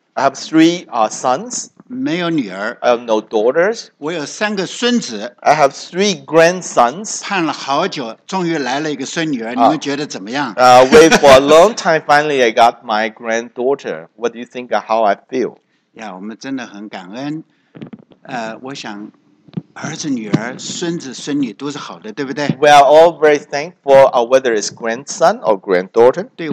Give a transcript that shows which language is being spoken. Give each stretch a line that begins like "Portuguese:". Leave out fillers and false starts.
English: I have three sons.
Chinese: 没有女儿.
English: I have no daughters.
Chinese: 我有三个孙子.
English: I have three grandsons.
Chinese: 盼了好久，终于来了一个孙女儿.你们觉得怎么样？
English: Wait for a long time. Finally, I got my granddaughter. What do you think of how I feel?
Chinese: Yeah, 我们真的很感恩.我想。儿子、女儿、孙子、孙女都是好的，对不对？
English: We are all very thankful, whether it's grandson or granddaughter.